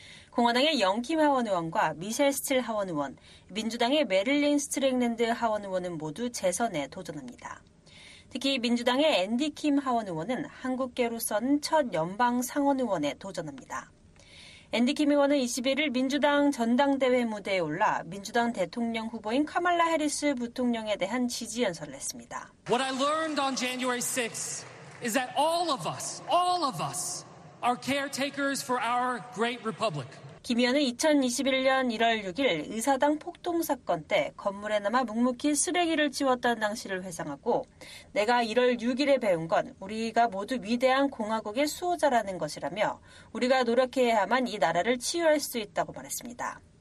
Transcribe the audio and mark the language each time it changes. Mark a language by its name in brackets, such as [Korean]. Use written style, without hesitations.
[Korean] 공화당의 영킴 하원 의원과 미셸 스틸 하원 의원, 민주당의 메릴린 스트링랜드 하원 의원은 모두 재선에 도전합니다. 특히 민주당의 앤디 킴 하원 의원은 한국계로서는 첫 연방 상원 의원에 도전합니다. 앤디 킴 의원은 21일 민주당 전당대회 무대에 올라 민주당 대통령 후보인 카말라 해리스 부통령에 대한 지지 연설을 했습니다. [English] What I learned on January 6th is that all of us are caretakers for our great republic. [Korean] 김 의원은 2021년 1월 6일 의사당 폭동 사건 때 건물에 남아 묵묵히 쓰레기를 치웠던 당시를 회상하고 내가 1월 6일에 배운 건 우리가 모두 위대한 공화국의 수호자라는 것이라며 우리가 노력해야만 이 나라를 치유할 수 있다고 말했습니다.